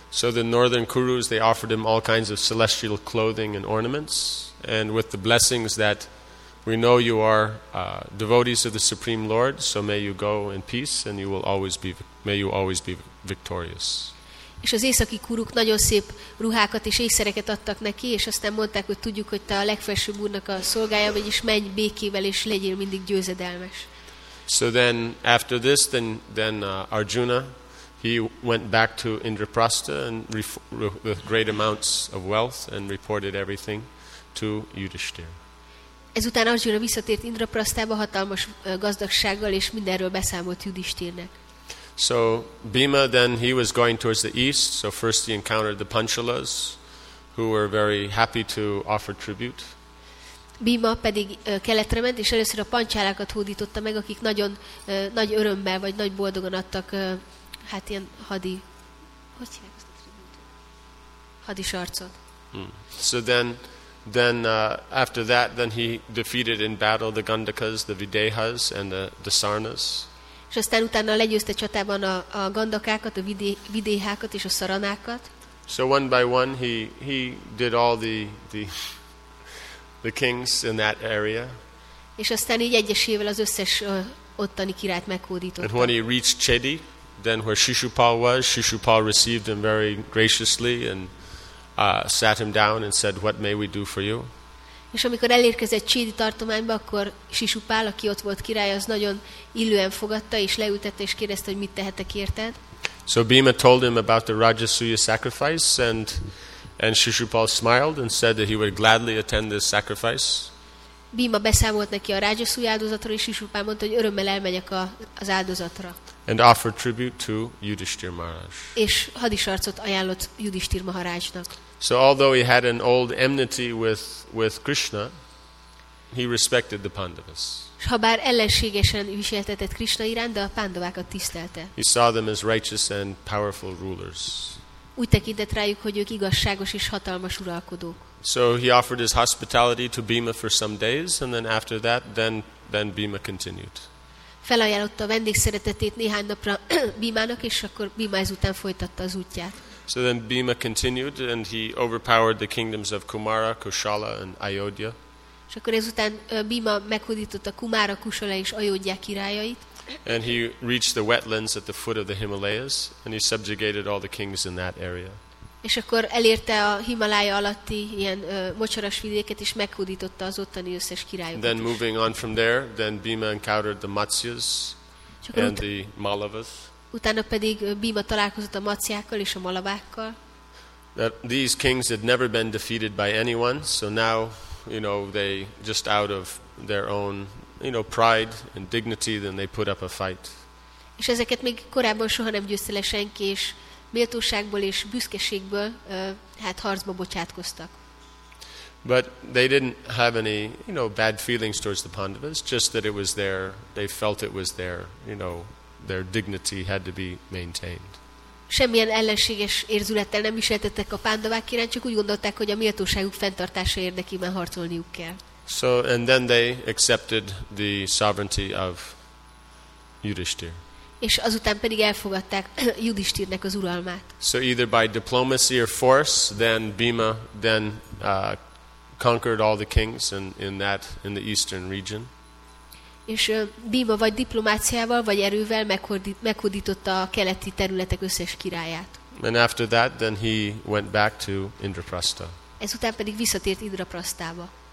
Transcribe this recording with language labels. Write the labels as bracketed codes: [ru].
[en] So the northern Kurus, they offered him all kinds of celestial clothing and ornaments, and with the blessings that we know you are devotees of the Supreme Lord, so may you go in peace and you will always be victorious. [hu] És az északi kuruk nagyon szép ruhákat és ésszereket adtak neki, és aztán mondták, hogy tudjuk, hogy te a legfelsőbb úrnak a szolgája, vagyis menj békével és legyél mindig győzedelmes. [en] So then after this then Arjuna he went back to Indraprastha and with great amounts of wealth and reported everything to Yudhishthir. [hu] Ezután Arjuna visszatért Indraprasthába hatalmas gazdagsággal és mindenről beszámolt Yudhishthirnek. [en] So Bhima then he was going towards the east, so first he encountered the Panchalas who were very happy to offer tribute. [hu] Bhima pedig keletre ment, és először a pancsálákat hódította meg, akik nagyon nagy örömmel, vagy nagy boldogan adtak, hát ilyen hadi, hogy hívják ezt a tribútot? Hadi sarcot. [en] So then after that, then he defeated in battle the Gandakas, the Videhas, and the Dasarnas. [hu] És aztán utána legyőzte csatában a Gandakákat, a Videhákat és a Saranákat. [en] So one by one he did all the kings in that area. [hu] És aztán így egyesével az összes ottani királyt meghódította. [en] And when he reached Chedi, then where Shishupal was, Shishupal received him very graciously and sat him down and said, "What may we do for you?" [hu] És amikor elérkezett Chedi tartományba, akkor Shishupal, aki ott volt király, az nagyon illően fogadta és leültette és kérdezte, hogy mit tehetek érted. [en] So Bhima told him about the Rajasuya sacrifice and Shishupal smiled and said that he would gladly attend this sacrifice. [hu] Bhima beszámolt neki a Rajasuya áldozatról, és Shishupal mondta, hogy örömmel elmegyek az áldozatra. [en] And offered tribute to Yudhishthir Maharaj. [hu] És hadisarcot ajánlott Yudhishthir Maharajnak. [en] So although he had an old enmity with Krishna, he respected the Pandavas. [hu] S habár ellenségesen viseltetett Krishna iránt, de a Pandavákat tisztelte. [en] He saw them as righteous and powerful rulers. [hu] Úgy tekintett rájuk, hogy ők igazságos és hatalmas uralkodók. [en] So he offered his hospitality to Bhima for some days, and then after that, then Bhima continued. [hu] Felajánlotta a vendégszeretetét néhány napra Bhimának, és akkor Bhima ezután folytatta az útját. [en] So then Bhima continued, and he overpowered the kingdoms of Kumara, Kushala, and Ayodhya. [hu] És akkor ezután Bhima meghódította Kumara, Kushala és Ayodhya királyait. [en] And he reached the wetlands at the foot of the Himalayas, and he subjugated all the kings in that area. [hu] És akkor elérte a Himalája alatti ilyen mocsaras vidéket, és meghódította az ottani összes királyokat. [en] Then moving on from there, then Bhima encountered the Matsyas and the Malavas. [hu] Utána pedig Bhima találkozott a Matsyákkal és a Malavákkal. [en] These kings had never been defeated by anyone, so now, you know, they just out of their own, you know, pride and dignity, then they put up a fight. [hu] És ezeket még korábban soha nem győzte le senki, és méltóságból és büszkeségből hát harcba bocsátkoztak. [en] But they didn't have any, you know, bad feelings towards the Pandavas, just that it was their, they felt it was their, you know, their dignity had to be maintained. [hu] Semmilyen ellenséges érzülettel nem viseltettek a Pandavák iránt, csak úgy gondolták, hogy a méltóságuk fenntartása érdekében harcolniuk kell. [en] So and then they accepted the sovereignty of Yudhishthir. [hu] És azután pedig elfogadták Yudhishthirnek az uralmát. [en] So either by diplomacy or force, then Bhima then conquered all the kings in the eastern region. [hu] És Bhima vagy diplomáciával vagy erővel meghódította a keleti területek összes királyát. [en] And after that, then he went back to Indraprastha. [hu] Ezután pedig visszatért Indraprasthába.